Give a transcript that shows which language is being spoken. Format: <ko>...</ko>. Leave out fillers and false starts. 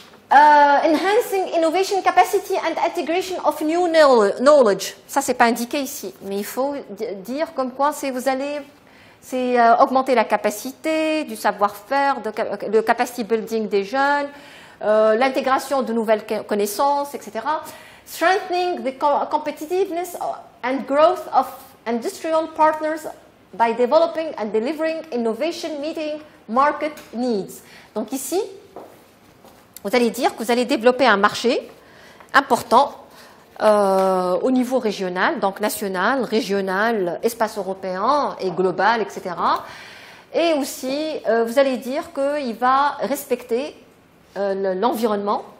<en>Enhancing innovation capacity and integration of new knowledge.</en> <fr>Ça, ce n'est pas indiqué ici, mais il faut dire comme quoi c'est, vous allez c'est, augmenter la capacité du savoir-faire, le capacity building des jeunes, l'intégration de nouvelles connaissances, etc.</fr> <en>Strengthening the competitiveness and growth of industrial partners by developing and delivering innovation meeting market needs.</en> <fr>Donc ici, vous allez dire que vous allez développer un marché important au niveau régional, donc national, régional, espace européen et global, etc. Et aussi, vous allez dire qu'il va respecter l'environnement.</fr>